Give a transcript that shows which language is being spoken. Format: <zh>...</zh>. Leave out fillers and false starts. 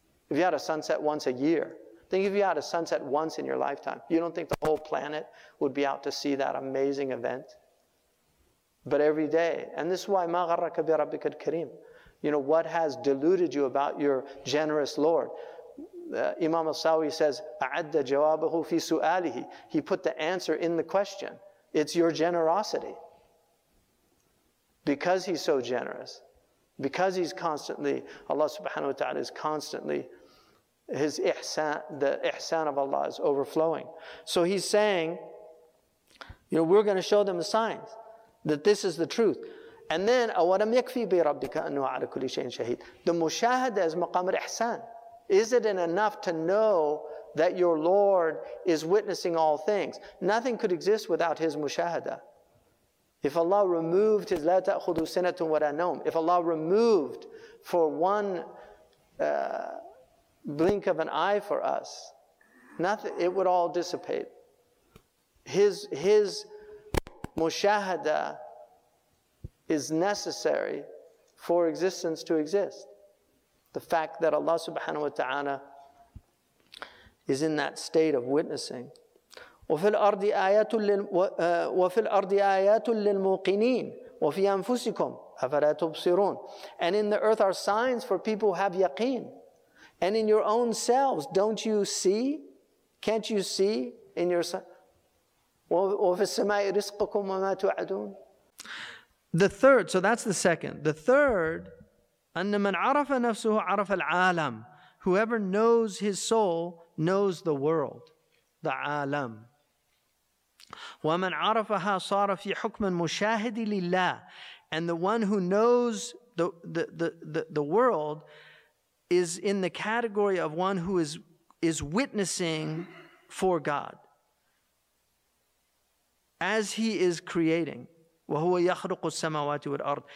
<en>If you had a sunset once a year, think if you had a sunset once in your lifetime, you don't think the whole planet would be out to see that amazing event? But every day, and this is why</en> <ar>مَا غَرَّكَ بِرَبِّكَ الْكَرِيمِ.</ar> <en>You know, what has deluded you about your generous Lord? Imam al-Sawi says,</en> <ar>أَعَدَّ جَوَابَهُ فِي سُؤَالِهِ.</ar> <en>He put the answer in the question. It's your generosity. Because he's so generous, because he's constantly, Allah subhanahu wa ta'ala is constantly, his ihsan, the ihsan of Allah is overflowing. So he's saying, you know, we're going to show them the signs. That this is the truth. And then,</en> <ar>أَوَلَمْ يَكْفِي بِرَبِّكَ أَنُّهُ عَلَى كُلِّ شَيْءٍ شَهِيدٍ.</ar> <en>The mushahada is maqam al-ihsan. Is it enough to know that your Lord is witnessing all things? Nothing could exist without his mushahada. If Allah removed his</en> <ar>لَا تَأْخُذُوا سِنَةٌ وَلَا نَوْمٌ.</ar> <en>If Allah removed for one blink of an eye for us, nothing, it would all dissipate. His mushahada is necessary for existence to exist. The fact that Allah subhanahu wa ta'ala is in that state of witnessing.</en> <ar>وَفِي الْأَرْضِ آيَاتٌ لِلْمُوقِنِينَ وَفِي أَنفُسِكُمْ أَفَلَا تُبْصِرُونَ.</ar> <en>And in the earth are signs for people who have yaqeen. And in your own selves, don't you see? Can't you see in your son? The third, so that's the second. The third,</en> <ar>أن من عرف نفسه عرف العالم.</ar> <en>Whoever knows his soul knows the world, the عالم.</en> <ar>ومن عرفها صار في حكم مشاهد لله.</ar> <en>And the one who knows the world is in the category of one who is witnessing for God as he is creating.</en> <ar>وَهُوَ يَخْرُقُ السَّمَوَاتِ وَالْأَرْضِ.</ar>